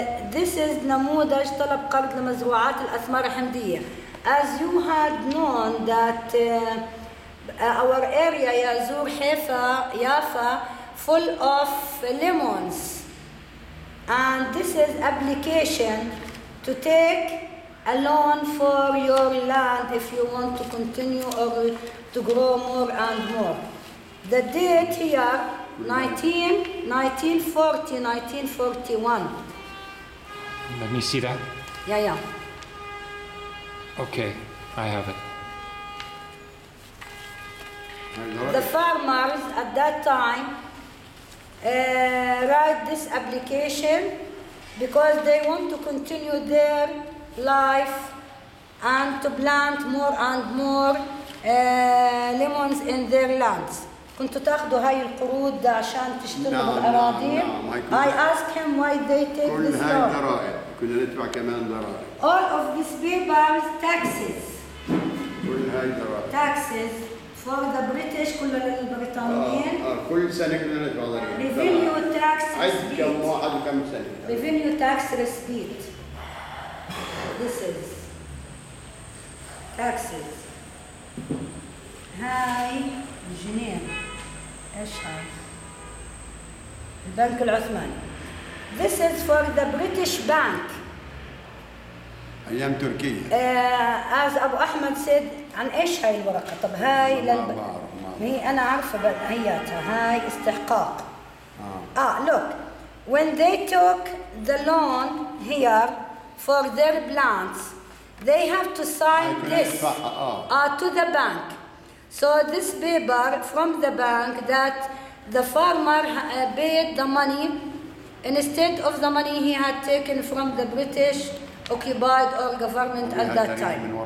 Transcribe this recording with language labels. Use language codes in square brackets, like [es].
[en] This is [ar] نموذج طلب قرض لمزروعات الأثمار الحمضية. [en] As you had known that our area, Yazur, Haifa, Yafa, full of lemons. And this is application to take a loan for your land if you want to continue or to grow more and more. The date here, 1940, 1941. Let me see that. Yeah, yeah. Okay, I have it. The farmers at that time write this application because they want to continue their life and to plant more and more lemons in their lands. [ar] كنتوا تاخذوا هاي القروض عشان تشتروا الاراضي. [en] I asked him why they take this loan. [ar] كل هاي ضرائب كنا ندفع كمان ضرائب. [en] All of these papers taxes. [ar] كل هاي ضرائب. [en] Taxes. For the British, [ar] كل البريطانيين. كل سنة كنا ندفع ضرائب. [en] Revenue tax receipt. عيد [ar] كم واحد وكم سنة. [en] Revenue tax receipt. This is taxes. [ar] هاي جنين. إيش هاي؟ البنك العثماني. [en] This is for the British bank. [ar] أيام تركيا. As أبو أحمد said, عن إيش هاي الورقة؟ طب هاي هي أنا عارفة هياتها. هاي استحقاق. [en] Look, when they took the loan here for their plants, they have to sign this to the bank. So this paper from the bank that the farmer paid the money instead of the money he had taken from the British occupied or government at that time.